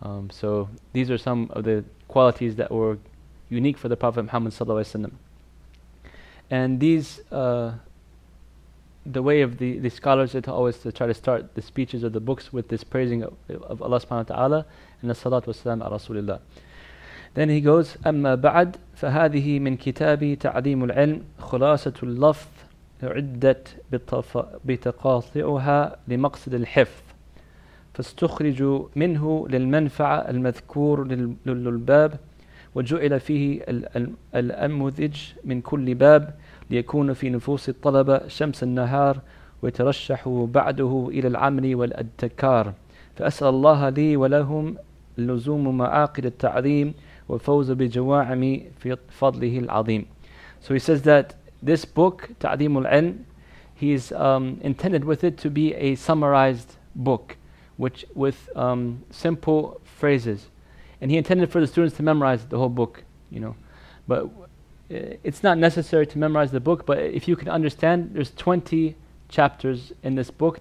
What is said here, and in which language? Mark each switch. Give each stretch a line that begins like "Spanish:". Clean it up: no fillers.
English: So these are some of the qualities that were unique for the Prophet Muhammad sallallahu alaihi wasallam. And these, the way of the scholars is to always to try to start the speeches of the books with this praising of Allah subhanahu wa ta'ala and the salat wa salam ala Rasulullah.
Arabic: Then he goes, أَمَّا بَعَدْ فَهَذِهِ مِنْ كِتَابِي تَعْظِيمُ الْعِلْمِ خُلَاصَةُ اللَّفْظِ عُدَّتْ بِتَقَاطِعُهَا لِمَقْصِدِ الْحِفْظِ فَاسْتُخْرِجُ مِنْهُ لِلْمَنْفَعَ الْمَذْكُورُ لِلْبَابِ وجعل فيه الأنموذج من كل باب ليكون في نفوس الطلبة شمس النهار ويترشح بعده إلى العمل والأدكار فأسأل الله لي ولهم لزوم معاقد التعظيم وفوز بجوامع في فضله العظيم.
English: So he says that this book, تعظيم العلم, he is intended with it to be a summarized book, which with simple phrases. And he intended for the students to memorize the whole book, you know. But it's not necessary to memorize the book, but if you can understand, there's 20 chapters in this book.